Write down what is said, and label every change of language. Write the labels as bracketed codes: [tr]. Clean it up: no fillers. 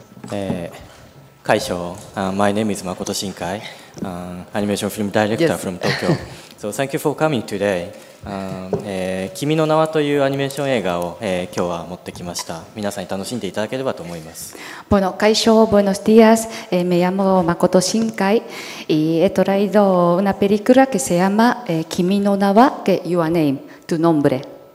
[en] Kaisho, my name is Makoto Shinkai, animation film director yes. from Tokyo. So thank you for coming today. [ja] Kimi no Nawa というアニメーション映画を、今日は持ってきました。皆さんに楽しんでいただければと思います。 [es] Bueno, Kaisho, buenos días. Me llamo Makoto Shinkai y he traído una película que se llama Kimi no Nawa, que [en] your name, [es] tu nombre.